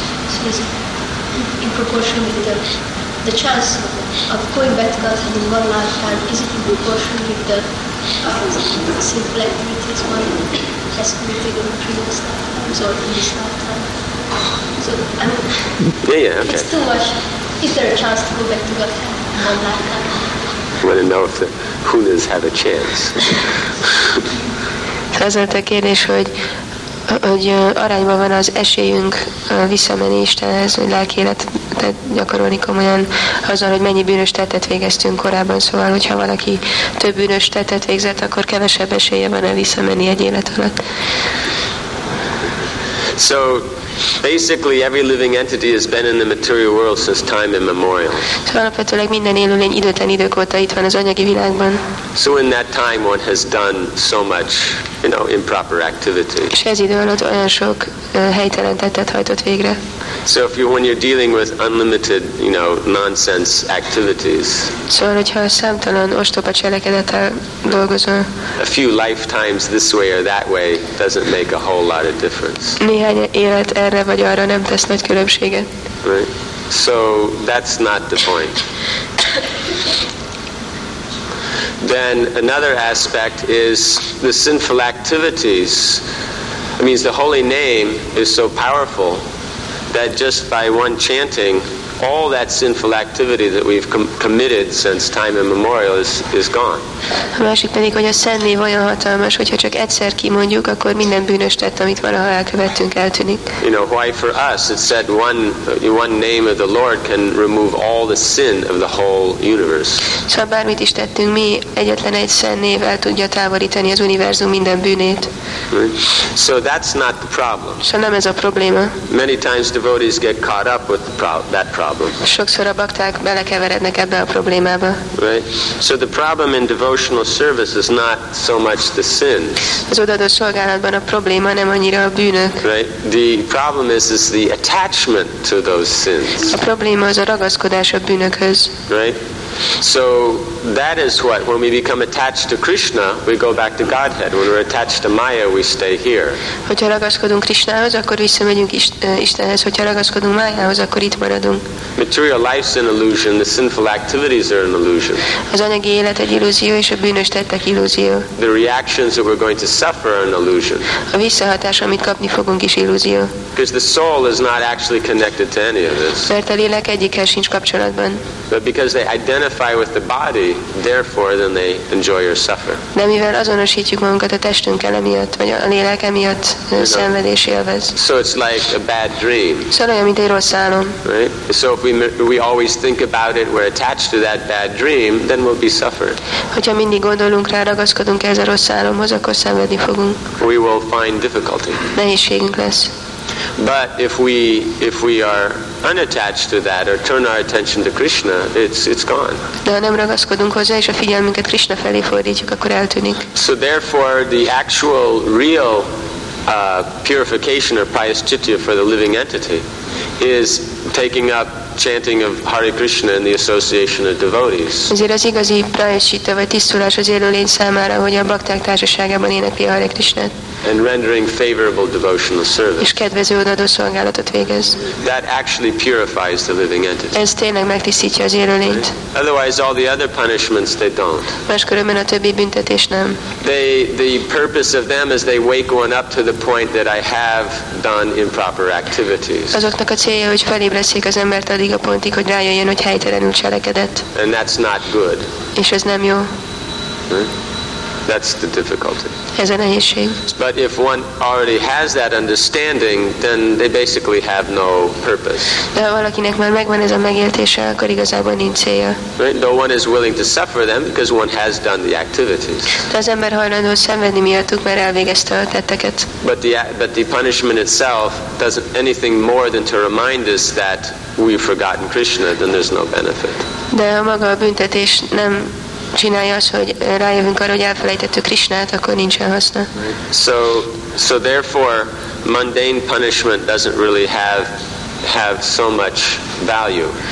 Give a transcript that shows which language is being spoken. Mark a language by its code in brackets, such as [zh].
[en] So is it in proportion with the chance of going back to Godhead in one lifetime, is it in proportion with the simple activities one has committed in previous lifetimes or in this lifetime? So, yeah, okay. It's too much. Is there a chance to go back to Godhead? want to know if the hunas have a chance. [hu] Ez volt a kérdés, hogy arányban van az esélyünk visszamenni Istenhez, hogy lelki életet gyakorolni komolyan azzal, hogy mennyi bűnös tettet végeztünk korábban. Szóval, hogyha valaki több bűnös tettet végzett, akkor kevesebb esélye van-e visszamenni egy élet alatt. [en] So basically every living entity has been in the material world since time immemorial. [hu] Alapvetőleg minden élőlény időtlen idők óta itt van az anyagi világban. [en] So in that time one has done so much, you know, improper activity. [hu] És ez idő alatt olyan sok helytelen tettet hajtott végre. [en] So if you, when you're dealing with unlimited, you know, nonsense activities. [hu] Szóval, hogyha számtalan ostoba cselekedettel dolgozol. [en] A few lifetimes this way or that way doesn't make a whole lot of difference. [hu] Néhány élet erre vagy arra nem tesz nagy különbséget. [en] Right. So that's not the point. Then another aspect is the sinful activities. It means the holy name is so powerful that just by one chanting, all that sinful activity that we've committed since time immemorial is gone. [hu] A másik pedig, hogy a szent név olyan hatalmas, hogyha csak egyszer kimondjuk, akkor minden bűnös tett, amit valaha elkövettünk, eltűnik. [en] You know, why for us it said one name of the Lord can remove all the sin of the whole universe. [hu] Szóval bármit is tettünk, mi egyetlen egy szent név el tudja távolítani az univerzum minden bűnét. [en] So that's not the problem. [hu] Szóval nem ez a probléma. [en] Many times devotees get caught up with that problem. [hu] Sokszor a bakták belekeverednek ebbe a problémába. [en] Right. So the problem in devotional service is not so much the sin. [hu] Az odaadó szolgálatban a probléma nem annyira a bűnök. [en] Right. The problem is the attachment to those sins. [hu] A probléma az a ragaszkodás a bűnökhöz. [en] Right. So that is what, when we become attached to Krishna, we go back to Godhead. When we're attached to Maya, we stay here. [hu] Hogyha ragaszkodunk Krishnához, akkor visszamegyünk Istenhez. Hogyha ragaszkodunk Mayához, akkor itt maradunk. [en] Material life's an illusion, the sinful activities are an illusion. [hu] Az anyagi élet egy illúzió, és a bűnös tettek illúzió. [en] The reactions that we're going to suffer are an illusion. [hu] A visszahatás, amit kapni fogunk, is illúzió. [en] Because the soul is not actually connected to any of this. [hu] Mert a lélek egyikkel sincs kapcsolatban. [en] But because they identify with the body, therefore then they enjoy or suffer. [hu] De mivel azonosítjuk magunkat a testünkkel emiatt, vagy a lélek emiatt szenvedés élvez. [en] So it's like a bad dream. [hu] Szóval olyan, mint egy rossz álom. [en] Right? So if we always think about it, we're attached to that bad dream, then we'll be suffered. [hu] Hogyha mindig gondolunk rá, ragaszkodunk ez a rossz álomhoz, akkor szenvedni fogunk. [en] We will find difficulty. [hu] Nehézségünk lesz. [en] But if we are unattached to that or turn our attention to Krishna, it's gone. [hu] De ha nem ragaszkodunk hozzá és a figyelmünket Krishna felé fordítjuk, akkor eltűnik. [en] So therefore the actual real purification or pious chitti for the living entity is taking up chanting of Hare Krishna in the association of devotees. [hu] Ezért az igazi prayaschitta vagy tisztulás az élőlény számára, hogy a bakták társaságában énekli Hare Krishnát. [en] And rendering favorable devotional service. [hu] És kedvező odaadó szolgálatot végez. [en] That actually purifies the living entity. [hu] Ez tényleg megtisztítja az élőlényt. [en] Otherwise all the other punishments they don't. [hu] Máskülönben a többi büntetés nem. [en] The purpose of them is they wake one up to the point that I have done improper activities. [hu] Azoknak a célja, hogy felébresszék az embert addig a pontig, hogy rájöjjön, hogy helytelenül cselekedett. [en] And that's not good. [hu] És ez nem jó. [en] That's the difficulty. [hu] Ez a nehézség. [en] But if one already has that understanding, then they basically have no purpose. [hu] De ha valakinek már megvan ez a megértése, akkor igazából nincs célja. [en] Right? No one is willing to suffer them because one has done the activities. [hu] De az ember hajlandó szenvedni miattuk, mert elvégezte a tetteket. [en] But the punishment itself doesn't anything more than to remind us that we've forgotten Krishna, then there's no benefit. [hu] De a maga a büntetés nem csinálja azt, hogy rájövünk arra, hogy elfelejtettük Krishnát, akkor nincsen haszna. [en] So therefore mundane punishment doesn't really have so much value.